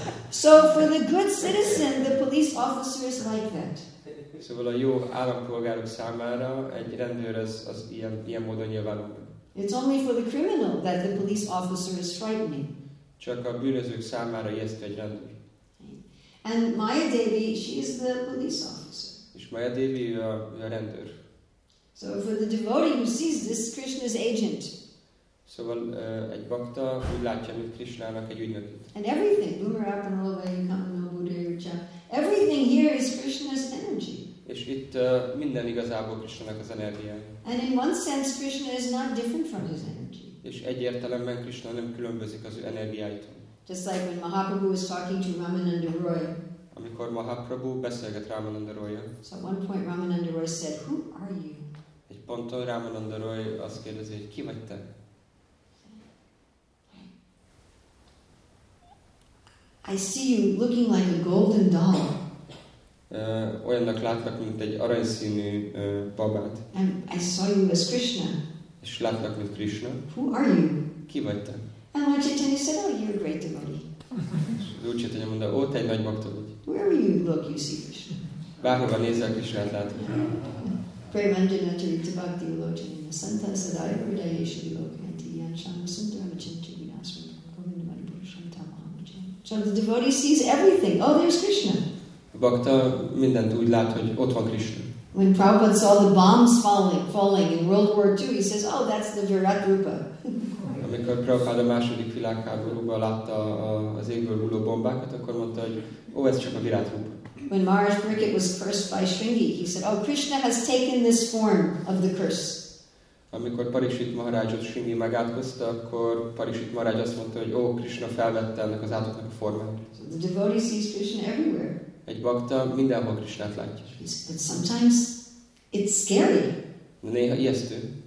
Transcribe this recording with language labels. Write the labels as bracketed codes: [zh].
[en] So for the good citizen, the police officer is like that. [hu] Szóval a jó állampolgárok számára egy rendőr az ilyen módon nyilvánul. [en] It's only for the criminal that the police officer is frightening. [hu] Csak a bűnözők számára ijesztő egy rendőr. [en] And Maya Devi, she is the police officer. [hu] És Maya Devi a rendőr. [en] So for the devotee who sees this, Krishna's agent. [hu] Szóval egy bakta úgy látja, mint Krishnának egy ügynökét. [en] And everything, Bhumarapan, Olavai, Kamana, Buddha, Ucha, everything here is Krishna's energy. [hu] És itt minden igazából Krishnának az energiája. [en] And in one sense, Krishna is not different from his energy. [hu] És egyértelműen Krishna nem különbözik az ő energiáitól. [en] Just like when Mahaprabhu was talking to Ramananda Roy. [hu] Amikor Mahaprabhu beszélget Ramananda Roy-jal. [en] So at one point Ramananda Roy said, "Who are you?" [hu] Egy ponton Ramananda Roy azt kérdezi, hogy ki vagy te? [en] I see you looking like a golden doll. [hu] Olyannak látlak, mint egy aranyszínű babát. [en] And I saw you as Krishna. [hu] És látlak, mint Krishna. [en] Who are you? [hu] Ki vagy te? [en] And Lord Chaitanya said, oh, you're a great devotee. [hu] Lord Chaitanya mondta, ó, te egy nagy bhakta vagy. [en] Wherever you look, you see Krishna. [hu] Bárhova nézel, Krishna-t látod. [sa] Pray manjana charita bhakti ulochanina santa sadaya vridaya shri lokanti yan shama sundara vachinti vinasvita govinda maripura shanta mahamajan. [en] So the devotee sees everything. Oh, there's Krishna. [hu] A bhakta mindent úgy lát, hogy ott van Krishna. [en] When Prabhupada saw the bombs falling in World War II, he says, "Oh, that's the Virat Rupa." [hu] Amikor Prabhupada a második világháborúban látta az égből hulló bombákat, akkor mondta, hogy, "Oh, ez csak a Virat Rupa." [en] When Maharaj Bricket was cursed by Sringi, he said, "Oh, Krishna has taken this form of the curse." [hu] Amikor Parikshit Maharajot Sringi megátkozta, akkor Parikshit Maharaj azt mondta, hogy, "Oh, Krishna felvette ennek az átoknak a formát." [en] So the devotee sees Krishna everywhere. [hu] Egy bakta mindenhol Krisnát látja. [en] But sometimes it's scary. [hu] Néha ijesztő.